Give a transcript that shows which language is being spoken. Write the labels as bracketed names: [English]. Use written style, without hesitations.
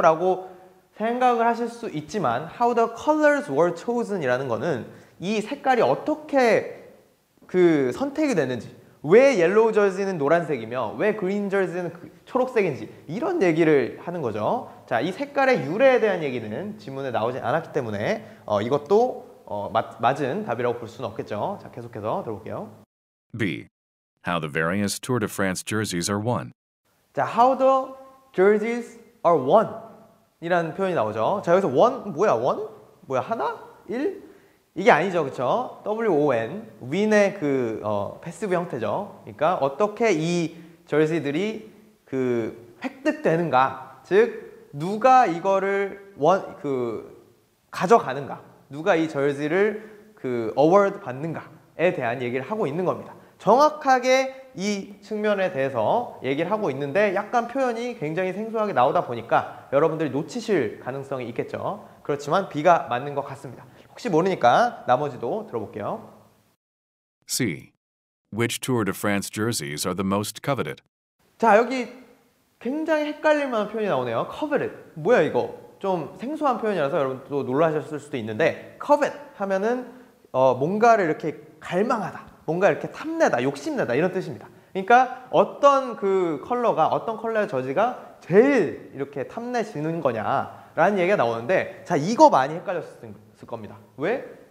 [Korean] 라고 생각을 하실 수 있지만 [English] how the colors were chosen [Korean] 이라는 거는 이 색깔이 어떻게 그 선택이 됐는지 왜 yellow jersey는 노란색이며 왜 green jersey는 초록색인지 이런 얘기를 하는 거죠. 자, 이 색깔의 유래에 대한 얘기는 지문에 나오지 않았기 때문에 이것도 맞은 답이라고 볼 수는 없겠죠. 자, 계속해서 들어볼게요. B. [English] How the various Tour de France jerseys are won. [Korean] 자, [English] how the jerseys are won. [Korean] 이라는 표현이 나오죠. 자, 여기서 원 뭐야? 원? 뭐야? 하나? 일? 이게 아니죠. 그렇죠? WON, WIN의 그 패시브 형태죠. 그러니까 어떻게 이 절세들이 그 획득되는가? 즉 누가 이거를 원 그 가져가는가? 누가 이 절세를 그 어워드 받는가에 대한 얘기를 하고 있는 겁니다. 정확하게 이 측면에 대해서 얘기를 하고 있는데 약간 표현이 굉장히 생소하게 나오다 보니까 여러분들이 놓치실 가능성이 있겠죠. 그렇지만 B가 맞는 것 같습니다. 혹시 모르니까 나머지도 들어볼게요. C. [English] Which Tour de France jerseys are the most coveted? [Korean] 자, 여기 굉장히 헷갈릴만한 표현이 나오네요. Coveted. 뭐야 이거? 좀 생소한 표현이라서 여러분도 놀라셨을 수도 있는데 Covet 하면은 뭔가를 이렇게 갈망하다. 뭔가 이렇게 탐내다, 욕심내다 이런 뜻입니다. 그러니까 어떤 그 컬러가, 어떤 컬러의 저지가 제일 이렇게 탐내지는 거냐라는 얘기가 나오는데 자, 이거 많이 헷갈렸을 겁니다. 왜?